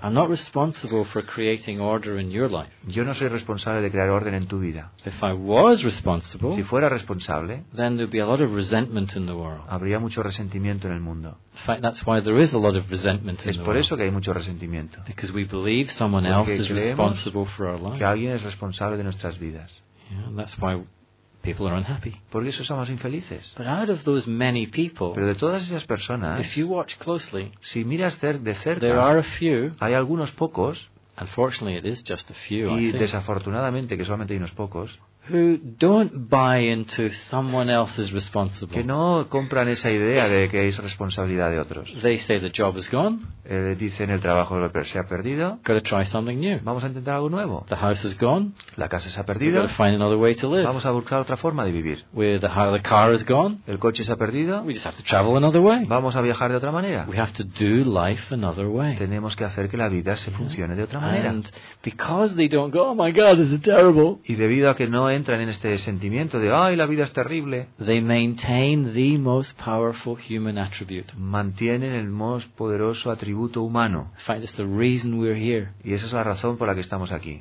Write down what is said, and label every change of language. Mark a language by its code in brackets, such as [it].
[en] I'm not responsible for creating order in your life. [es] Yo no soy responsable de crear orden en tu vida. [en] If I was responsible, [es] si fuera responsable, [en] then there'd be a lot of resentment in the world. [es] Habría mucho resentimiento en el mundo. [en] In fact, that's why there is a lot of resentment in the world. [es] Es por eso que hay mucho resentimiento. [en] Because we believe someone [es] Porque [en] else is responsible for our life. [es] Que alguien es responsable de nuestras vidas. [en] Yeah, that's why people are unhappy. [es] Porque esos somos infelices. [en] But out of those many people, [es] pero de todas esas personas, [en] if you watch closely, [es] si miras de cerca, [en] there are a few, [es] hay algunos pocos, [en] unfortunately it is just a few, [es] y desafortunadamente que solamente hay unos pocos, [en] who don't buy into someone else's responsibility. [es] Que no compran esa idea de que es responsabilidad de otros. [en] They say the job is gone. [es] Dicen el trabajo se ha perdido. [en] Gotta try something new. [es] Vamos a intentar algo nuevo. [en] The house is gone. [es] La casa se ha perdido. [en] Gotta find another way to live. [es] Vamos a buscar otra forma de vivir. [en] The car is gone. [es] El coche se ha perdido. [en] We just have to travel another way. [es] Vamos a viajar de otra manera. [en] We have to do life another way. [es] Tenemos que hacer que la vida se funcione de otra manera. [en] And because they don't go, oh my God, this is terrible. [es] Y debido a que no entran en este sentimiento de ay, la vida es terrible. [en] They maintain the most powerful human attribute. [es] Mantienen el más poderoso atributo humano. [en] It's the reason we're here. [es] Y esa es la razón por la que estamos aquí.